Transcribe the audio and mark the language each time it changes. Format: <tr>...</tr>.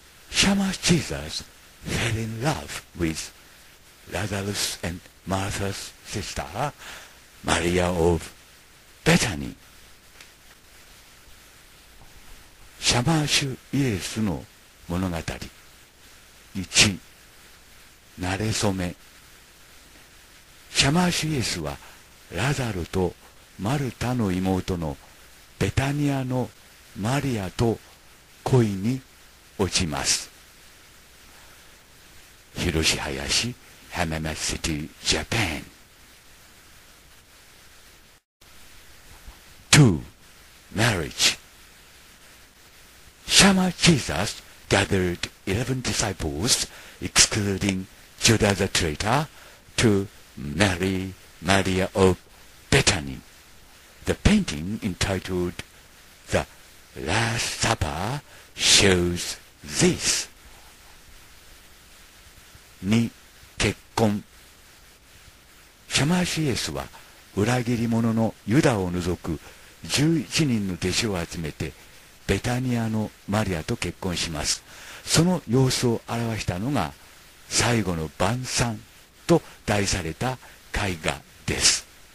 <en>Shamash Jesus fell in love with Lazarus and Martha's sister, Maria of Bethany.</en> <ja>Shamash Jesus の物語。一、なれそめ。シャマーシュイエスはラザルとマルタの妹のベタニアのマリアと恋に落ちます。ヒロシハヤシ、ハメマシティ、ジャパン。</ja> <en>2. Marriage. シャマーシュイエス gathered 11 disciples excluding Judas the traitor toMary, Maria of Bethany. The painting entitled The Last Supper shows this.</en> <ja>2. 結婚。シャマーシュイエスは裏切り者のユダを除く11人の弟子を集めてベタニアのマリアと結婚します。その様子を表したのが最後の晩餐と題された絵画です。</ja>